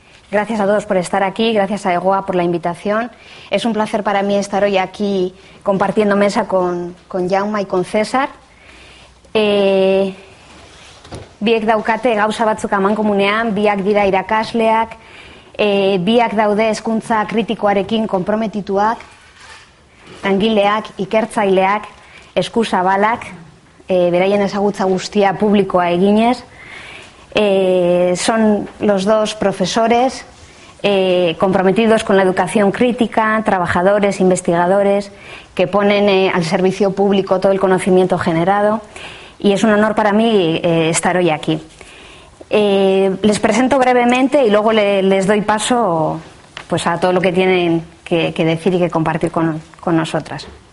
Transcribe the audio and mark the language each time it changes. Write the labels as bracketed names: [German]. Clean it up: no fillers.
[Spanish] Gracias a todos por estar aquí, gracias a EGOA por la invitación. Es un placer para mí estar hoy aquí compartiendo mesa con Jaume y con César. [Basque] Biek daukate gauza batzuk amankomunean, biak dira irakasleak, biak daude hezkuntza kritikoarekin konprometituak, langileak, ikertzaileak, eskuzabalak, beraien ezagutza guztia publikoa eginez. [Spanish] Son los dos profesores comprometidos con la educación crítica, trabajadores, investigadores, que ponen al servicio público todo el conocimiento generado. Y es un honor para mí estar hoy aquí. Les presento brevemente y luego les doy paso pues, a todo lo que tienen que decir y que compartir con nosotras.